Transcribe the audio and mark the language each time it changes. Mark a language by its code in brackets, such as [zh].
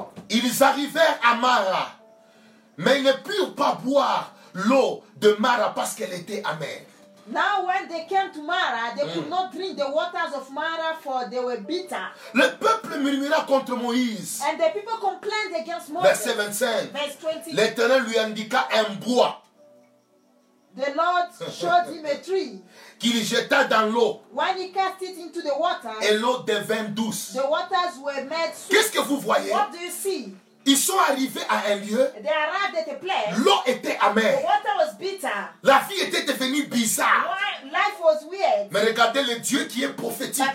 [fr] Ils arrivèrent à Mara, mais ils ne purent pas boire l'eau de Mara parce qu'elle était amère. [en] Now when they came to Mara, they could not drink the waters of Mara for they were bitter. [fr] Le peuple murmura contre Moïse. [en] And the people complained against Moses. [fr] Verset 25. [en] Verse 20. [fr] L'Éternel lui indiqua un bois. [en] The Lord showed him a tree. [fr] Qu'il jeta dans l'eau. [en] When he cast it into the water. [fr] Et l'eau devint douce. [en] The waters were made sweet. [fr] Qu'est-ce que vous voyez? [en] What do you see? [fr] Ils sont arrivés à un lieu. [en] They arrived at a place. [fr] L'eau était amère. [en] The water was bitter. [fr] La vie était devenue bizarre. [en] Life was weird. [fr] Mais regardez le Dieu qui est prophétique.